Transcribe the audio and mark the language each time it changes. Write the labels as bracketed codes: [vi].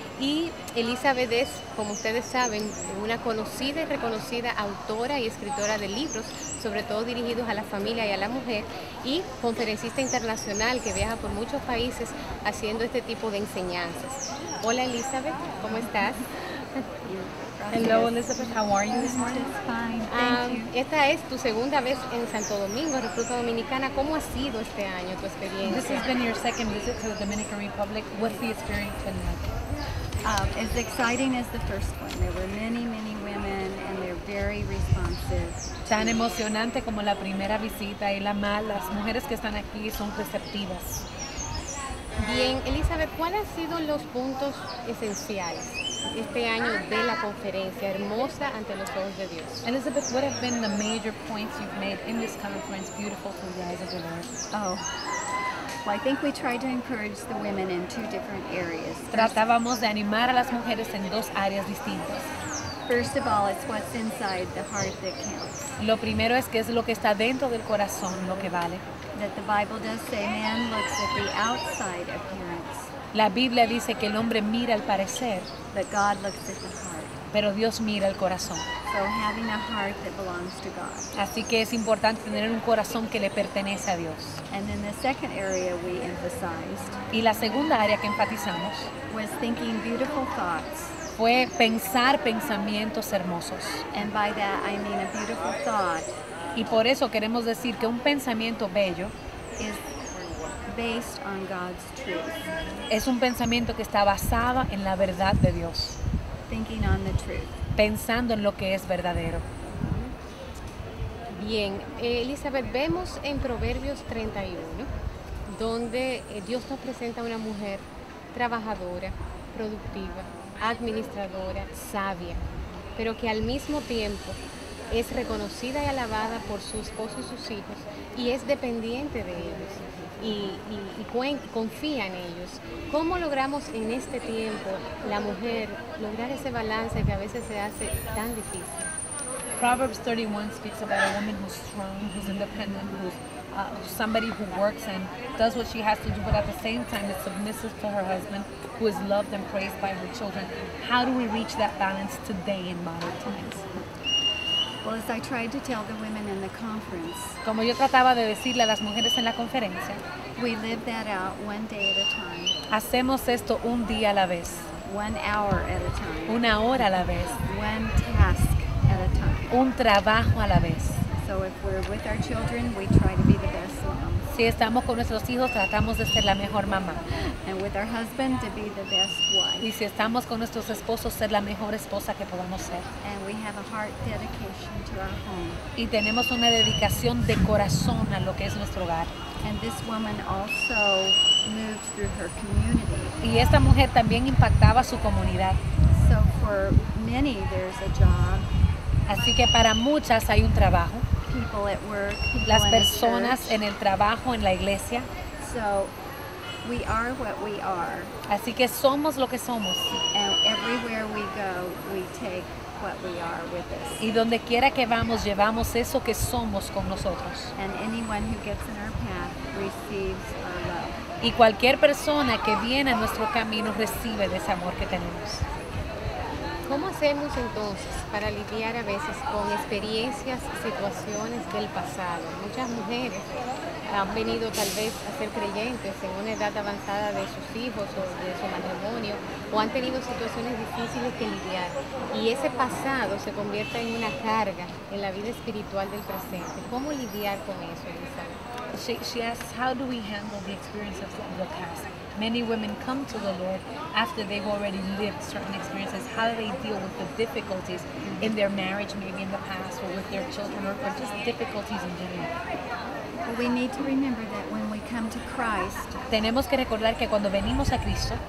[es] Y Elizabeth es, como ustedes saben, una conocida y reconocida autora y escritora de libros, sobre todo dirigidos a la familia y a la mujer, y conferencista internacional que viaja por muchos países haciendo este tipo de enseñanzas. Hola Elizabeth, ¿cómo estás? [en] Hello, Elizabeth. How are you this morning? It's fine. Thank you. [es] Esta es tu segunda vez en Santo Domingo, República Dominicana. ¿Cómo ha sido este año tu experiencia? [en] This has been your second visit to the Dominican Republic. What's the experience been like? As exciting as the first one. There were many, many women, and they're very responsive. [es] Tan emocionante como la primera visita y la mala. Las mujeres que están aquí son receptivas. Bien, Elizabeth, ¿cuáles han sido los puntos esenciales este año de la conferencia, hermosa ante los ojos de Dios? [en] Elizabeth, what have been the major points you've made in this conference, beautiful through the eyes of the Lord? Oh, Well, I think we tried to encourage the women in two different areas. [es] Tratábamos de animar a las mujeres en dos áreas distintas. [en] First of all, it's what's inside the heart that counts. [es] Lo primero es que es lo que está dentro del corazón lo que vale. [en] That the Bible does say man looks at the outside appearance. [es] La Biblia dice que el hombre mira al parecer. [en] But God looks at the heart. [es] Pero Dios mira el corazón. [en] So having a heart that belongs to God. [es] Así que es importante tener un corazón que le pertenece a Dios. [en] And then the second area we emphasized. [es] Y la segunda área que enfatizamos. [en] Was thinking beautiful thoughts. [es] Fue pensar pensamientos hermosos. [en] And by that I mean a beautiful thought. [es] Y por eso queremos decir que un pensamiento bello [en] is based on God's truth. [es] Es un pensamiento que está basado en la verdad de Dios. [en] Thinking on the truth. [es] Pensando en lo que es verdadero. Bien, Elizabeth, vemos en Proverbios 31 donde Dios nos presenta a una mujer trabajadora, productiva, administradora, sabia, pero que al mismo tiempo es reconocida y alabada por su esposo y sus hijos y es dependiente de ellos y confía en ellos. ¿Cómo logramos en este tiempo la mujer lograr ese balance que a veces se hace tan difícil? [en] Proverbs 31 speaks about a woman who's strong, who's independent, who's somebody who works and does what she has to do, but at the same time is submissive to her husband, who is loved and praised by her children. How do we reach that balance today in modern times? Well, as I tried to tell the women in the conference, [es] como yo trataba de decirle a las mujeres en la conferencia, [en] we live that out one day at a time. [es] Hacemos esto un día a la vez. [en] One hour at a time. [es] Una hora a la vez. [en] One task at a time. [es] Un trabajo a la vez. [en] So if we're with our children, we try to be the best mom. [es] Si estamos con nuestros hijos, tratamos de ser la mejor mamá. [en] And with our husband, to be the best wife. [es] Y si estamos con nuestros esposos, ser la mejor esposa que podamos ser. [en] And we have a heart dedication to our home. [es] Y tenemos una dedicación de corazón a lo que es nuestro hogar. [en] And this woman also moved through her community. [es] Y esta mujer también impactaba su comunidad. [en] So for many, there's a job. [es] Así que para muchas hay un trabajo. [en] People at work, people [es] las personas en el trabajo, en la iglesia. [en] So, we are what we are. [es] Así que somos lo que somos. [en] And everywhere we go, we take what we are with us. [es] Y donde quiera que vamos, llevamos eso que somos con nosotros. [en] And anyone who gets in our path receives our love. [es] Y cualquier persona que viene a nuestro camino recibe de ese amor que tenemos. ¿Cómo hacemos entonces para lidiar a veces con experiencias, situaciones del pasado? Muchas mujeres han venido tal vez a ser creyentes en una edad avanzada de sus hijos o de su matrimonio o han tenido situaciones difíciles que lidiar y ese pasado se convierte en una carga en la vida espiritual del presente. ¿Cómo lidiar con eso, Elizabeth? [en] She asks, how do we handle the experiences of the past? Many women come to the Lord after they've already lived certain experiences. How do they deal with the difficulties in their marriage, maybe in the past, or with their children, or just difficulties in general? We need to remember that when we come to Christ, [es] tenemos que recordar que cuando venimos a Cristo,